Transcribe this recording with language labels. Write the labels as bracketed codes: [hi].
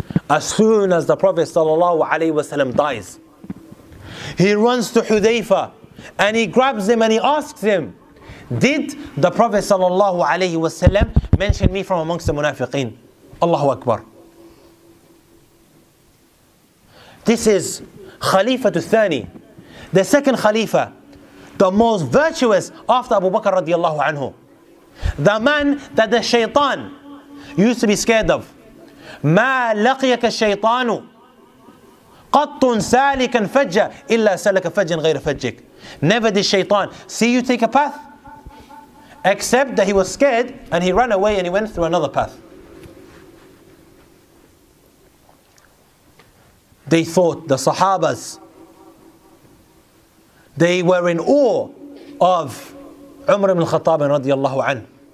[en] As soon as the Prophet sallallahu alayhi wasallam dies, he runs to Hudhaifah and he grabs him and he asks him, did the Prophet sallallahu alayhi wasallam mention me from amongst the munafiqeen? Allahu Akbar. This is Khalifa al-Thani, the second Khalifa, the most virtuous after Abu Bakr radiallahu anhu. The man that the shaytan used to be scared of. [ar] ما لقيك الشيطان قط سالكا فجا إلا سلك فجا غير فجك. [en] Never did shaytan see you take a path except that he was scared and he ran away and he went through another path. They thought, the sahabas, they were in awe of Umar ibn al-Khattab radiallahu anhu.